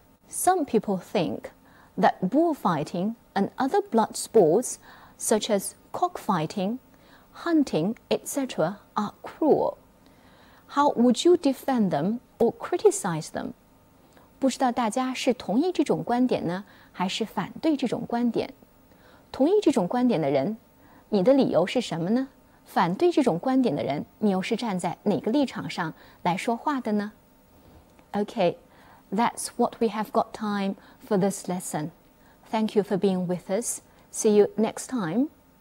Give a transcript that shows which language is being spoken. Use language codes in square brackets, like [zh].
[en] Some people think that bullfighting and other blood sports such as cockfightingHunting, etc., are cruel. How would you defend them or criticize them? [zh] 不知道大家是同意这种观点呢，还是反对这种观点？同意这种观点的人，你的理由是什么呢？反对这种观点的人，你又是站在哪个立场上来说话的呢？ [en] Okay, that's what we have got time for this lesson. Thank you for being with us. See you next time.